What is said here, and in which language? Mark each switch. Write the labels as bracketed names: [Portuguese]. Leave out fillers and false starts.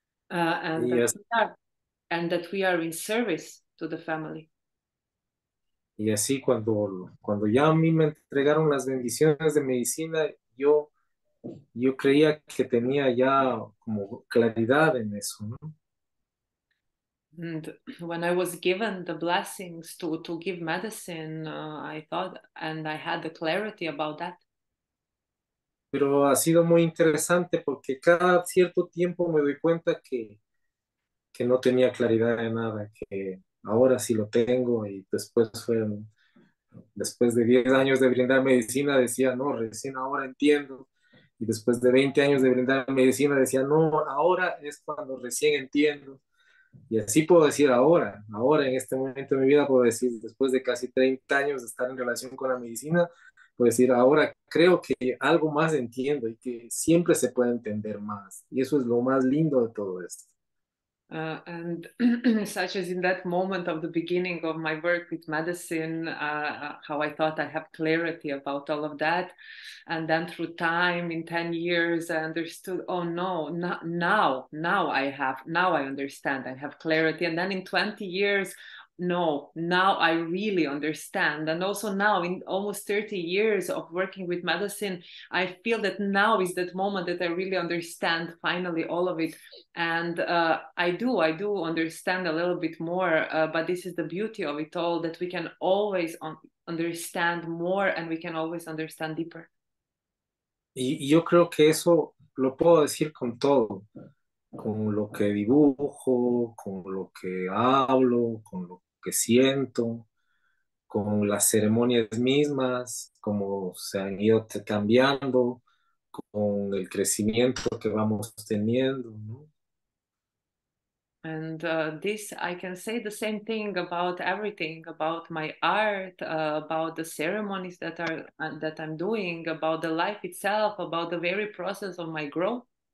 [English] Yes. And that we are in service to the family. [Spanish] Y así cuando ya a mí me entregaron las bendiciones de medicina, yo creía que tenía ya como claridad en eso, ¿no? [English] And when I was given the blessings to give medicine, I thought and I had the clarity about that. [Spanish] Pero ha sido muy interesante porque cada cierto tiempo me doy cuenta que no tenía claridad de nada, que ahora sí lo tengo y después de 10 años de brindar medicina decía, no, recién ahora entiendo. Y después de 20 años de brindar medicina decía, no, ahora es cuando recién entiendo. Y así puedo decir ahora en este momento de mi vida puedo decir, después de casi 30 años de estar en relación con la medicina, puedo decir, ahora creo que algo más entiendo y que siempre se puede entender más. Y eso es lo más lindo de todo esto. [English] And such as in that moment of the beginning of my work with medicine, how I thought I have clarity about all of that. And then through time, in 10 years, I understood, oh no, now I understand, I have clarity. And then in 20 years, no, now I really understand. And also now, in almost 30 years of working with medicine, I feel that now is that moment that I really understand finally all of it. And I do understand a little bit more, but this is the beauty of it all, that we can always understand more and we can always understand deeper. [Spanish] Y yo creo que eso lo puedo decir con todo. Con lo que dibujo, con lo que hablo, con lo que siento, con las ceremonias mismas, como se han ido cambiando, con el crecimiento que vamos teniendo, ¿no? [English] And this, I can say the same thing about everything, about my art, about the ceremonies that I'm doing, about the life itself, about the very process of my growth.